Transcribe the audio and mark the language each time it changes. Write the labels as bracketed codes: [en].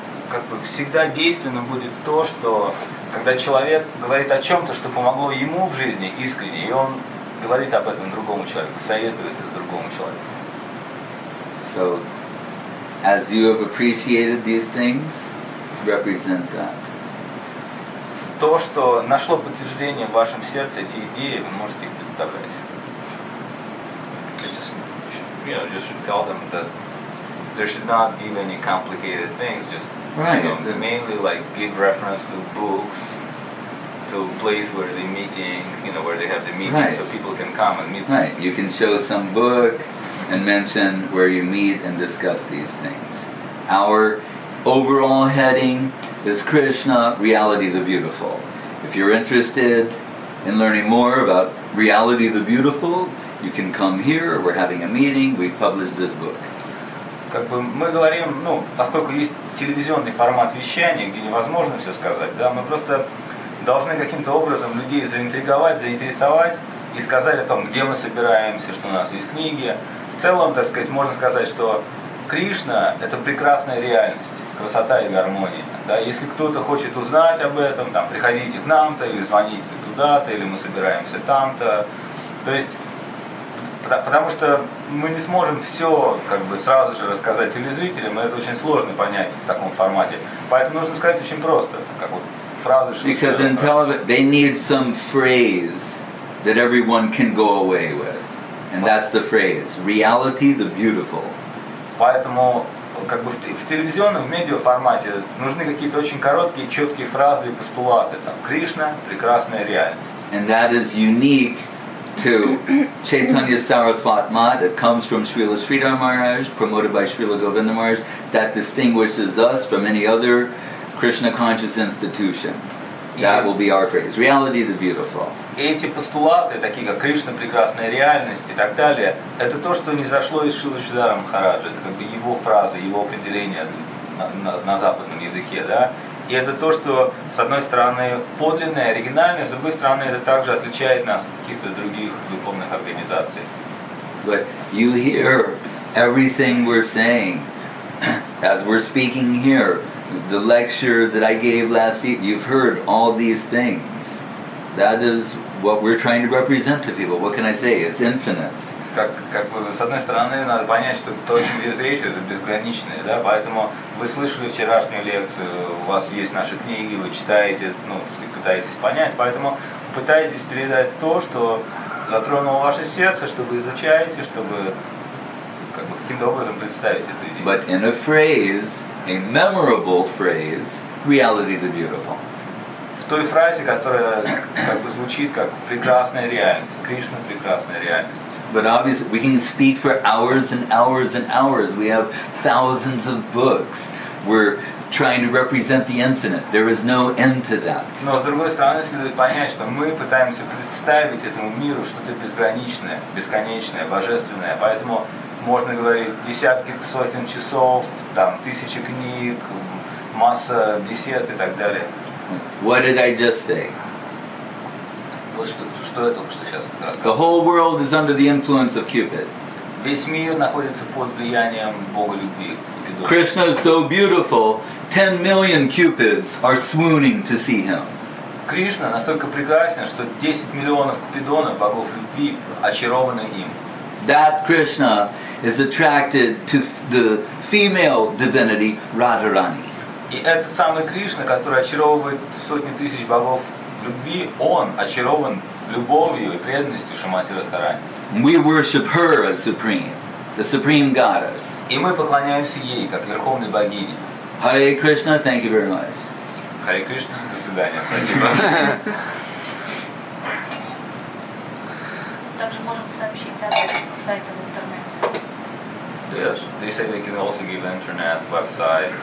[ru] Как бы всегда действенно будет то, что когда человек говорит о чем-то, что помогло ему в жизни искренне, и он говорит об этом другому человеку, советует это другому человеку. [en] So, as you have appreciated these things, represent that. [ru] То, что нашло подтверждение в вашем сердце, эти идеи, вы можете их представлять. [en] You should tell them that there should not be any complicated things. Just mainly like give reference to books, to place where they're meeting, you know, where they have the meeting, right. So people can come and meet. Right. You can show some book and mention where you meet and discuss these things. Our overall heading is Krishna, Reality the Beautiful. If you're interested in learning more about Reality the Beautiful, you can come here. We're having a meeting. We've published this book. [ru] как бы мы говорим, ну, поскольку есть телевизионный формат вещания, где невозможно все сказать, да, мы просто должны каким-то образом людей заинтриговать, заинтересовать и сказать о том, где мы собираемся, что у нас есть книги. В целом, так сказать, можно сказать, что Кришна – это прекрасная реальность, красота и гармония. Да, если кто-то хочет узнать об этом, там, приходите к нам-то, или звоните туда-то, или мы собираемся там-то. То есть, потому что мы не сможем все как бы сразу же рассказать телезрителям, и это очень сложно понять в таком формате. Поэтому нужно сказать очень просто, как вот фразы, что... [en] Because in television, they need some phrase that everyone can go away with. And that's the phrase. Reality, the beautiful. [ru] Поэтому как бы в телевизионном, в медиаформате нужны какие-то очень короткие, четкие фразы и постулаты. Там, Кришна – прекрасная реальность. [en] And that is unique to Chaitanya Sarasvat Math. It comes from Srila Sridhar Maharaj, promoted by Srila Govinda Maharaj. That distinguishes us from any other Krishna conscious institution. That will be our phrase. Reality, the beautiful. [ru] Эти постулаты, такие как Кришна, прекрасная реальность и так далее, это то, что не зашло из Шрилы Шридхара Махараджа. Это как бы его фраза, его определение на западном языке, да? И это то, что, с одной стороны, подлинное, оригинальное, с другой стороны, это также отличает нас от каких-то других духовных организаций. [en] But you hear everything we're saying, as we're speaking here, the lecture that I gave last evening, you've heard all these things. That is what we're trying to represent to people. What can I say? It's infinite. [ru] Как бы, с одной стороны, надо понять, что то, о чем идет речь, это безграничное, да? Поэтому вы слышали вчерашнюю лекцию, у вас есть наши книги, вы читаете, ну, если пытаетесь понять, поэтому пытаетесь передать то, что затронуло ваше сердце, что вы изучаете, чтобы как бы, каким-то образом представить эту идею. [en] But in a phrase, a memorable phrase, reality is beautiful. [ru] Той фразе, которая как бы звучит как прекрасная реальность, Кришна прекрасная реальность. [en] But obviously we can speak for hours and hours and hours. We have thousands of books. We're trying to represent the infinite. There is no end to that. [ru] Но с другой стороны, следует понять, что мы пытаемся представить этому миру что-то безграничное, бесконечное, божественное. Поэтому можно говорить десятки, сотен часов, там тысячи книг, масса бесед и так далее. [en] What did I just say? The whole world is under the influence of Cupid. Krishna is so beautiful, 10 million Cupids are swooning to see him. [ru] Krishna настолько прекрасен, что 10 миллионов Купидонов, богов любви, очарованы им. [en] That Krishna is attracted to the female divinity, Radharani. [ru] И этот самый Кришна, который очаровывает сотни тысяч богов любви, он очарован любовью и преданностью Шримати Радхарани. [en] We worship her as supreme, the supreme goddess. [ru] И мы поклоняемся ей, как верховной богине. [en] Hare Krishna, thank you very much. [ru] Hare Krishna, до свидания, спасибо. Также можем сообщить адрес сайта в интернете. [en] Yes, they say they can also give internet website.